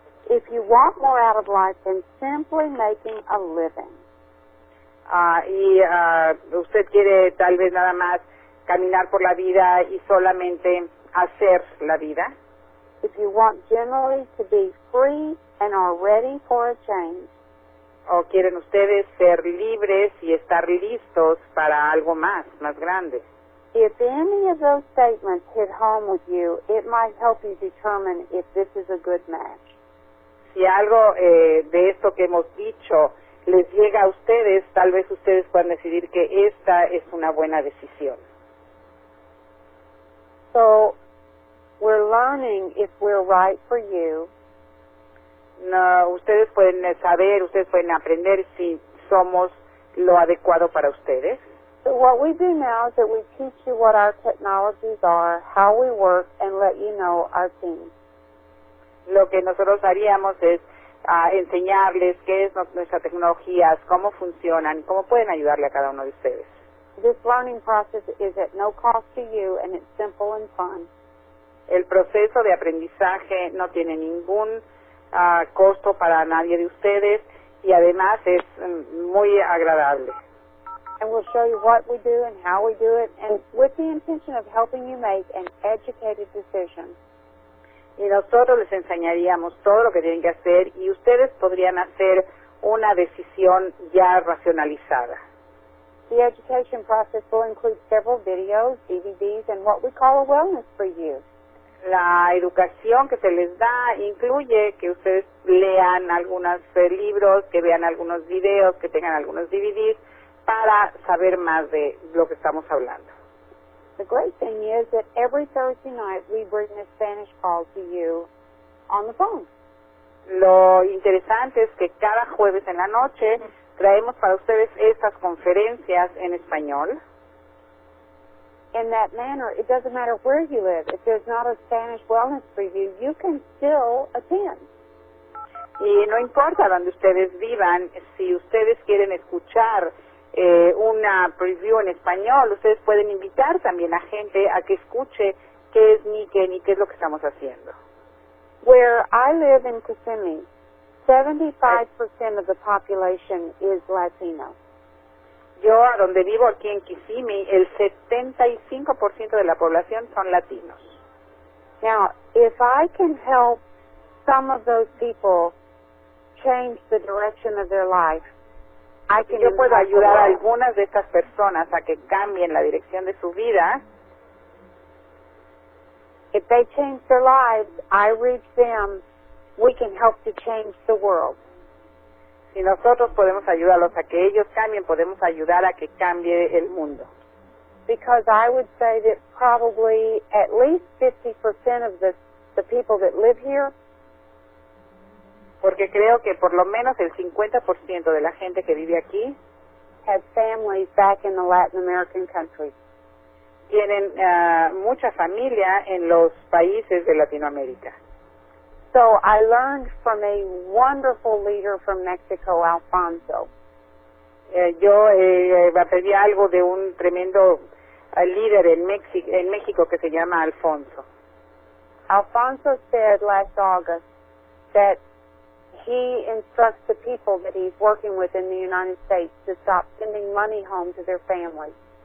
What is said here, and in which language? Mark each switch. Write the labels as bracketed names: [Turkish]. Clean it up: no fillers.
[English] If you want more out of life than simply making a living. [Spanish] Usted quiere tal vez nada más caminar por la vida y solamente hacer la vida. [English] If you want generally to be free. And are ready for a change. [Spanish] ¿O quieren ustedes ser libres y estar listos para algo más, más grande? [English] If any of those statements hit home with you, it might help you determine if this is a good match. [Spanish] Si algo de esto que hemos dicho les llega a ustedes, tal vez ustedes puedan decidir que esta es una buena decisión. [English] So, we're learning if we're right for you. [Spanish] No, ustedes pueden saber, ustedes pueden aprender si somos lo adecuado para ustedes. [English] So what we do now is that we teach you what our technologies are, how we work, and let you know our team. [Spanish] Lo que nosotros haríamos es enseñarles qué es nuestras tecnologías, cómo funcionan, cómo pueden ayudarle a cada uno de ustedes. [English] This learning process is at no cost to you, and it's simple and fun. [Spanish] El proceso de aprendizaje no tiene ningún costo para nadie de ustedes y además es muy agradable. [English] And we'll show you what we do and how we do it and with the intention of helping you make an educated decision. [Spanish] Y nosotros les enseñaríamos todo lo que tienen que hacer y ustedes podrían hacer una decisión ya racionalizada. [English] The education process will include several videos, DVDs, and what we call a wellness for you. [Spanish] La educación que se les da incluye que ustedes lean algunos libros, que vean algunos videos, que tengan algunos DVDs para saber más de lo que estamos hablando. [English] The great thing is that every Thursday night we bring a Spanish call to you on the phone. [Spanish] Lo interesante es que cada jueves en la noche traemos para ustedes estas conferencias en español. [English] In that manner, it doesn't matter where you live. If there's not a Spanish wellness for you, you can still attend. [Spanish] Y no importa donde ustedes vivan, si ustedes quieren escuchar una preview en español, ustedes pueden invitar también a gente a que escuche qué es Niken y qué es lo que estamos haciendo. [English] Where I live in Kissimmee, 75% of the population is Latino. [Spanish] Yo, a donde vivo aquí en Kissimmee, el 75% de la población son latinos. [English] Now, if I can help some of those people change the direction of their life, I can. [Spanish] Si yo puedo ayudar a algunas de estas personas a que cambien la dirección de su vida. [English] If they change their lives, I reach them, we can help to change the world. [Spanish] Si nosotros podemos ayudarlos a que ellos cambien, podemos ayudar a que cambie el mundo. [English] Because I would say that probably at least 50% of the people that live here. [Spanish] Porque creo que por lo menos el 50% de la gente que vive aquí. [English] Have families back in the Latin American countries. [Spanish] Tienen mucha familia en los países de Latinoamérica. [English] So I learned from a wonderful leader from Mexico, Alfonso. [Spanish] Yo aprendí algo de un tremendo líder en México que se llama Alfonso. [English] Alfonso said last August that he instructs the people that he's working with in the United States to stop sending money home to their families.